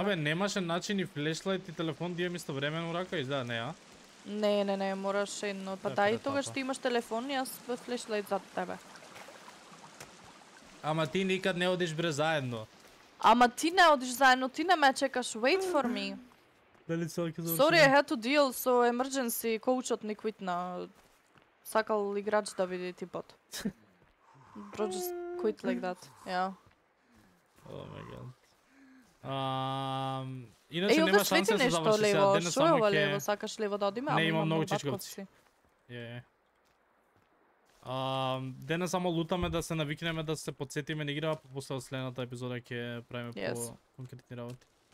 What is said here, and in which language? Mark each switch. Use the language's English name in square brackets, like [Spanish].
[Macedonian] Абе, немаше начин и флешлет и телефон дијам исто времено рака, изгледа не, а? Не, не, не, мораш едно. Па дај тогаш ти имаш телефон и аз флешлет зад тебе. Ама ти никад не одиш бре заедно. Ама ти не одиш заедно, ти не ме чекаш, [English] wait for me. [Macedonian] Дали целки завршим? [English] Sorry, I had to deal so emergency, [Macedonian] коучот не квитна. Сакал играч да види типот. [English] Bro, just quit like that, yeah. Oh my god. [Macedonian] Иначе нема шанса да завршиш сега, денес само ке... е ова лево, сакаш лево да одиме? Не, имам много чичковци. Е. Денес само лутаме да се навикнеме да се подсетиме на играва, после следната епизода ќе правиме по конкретни работи.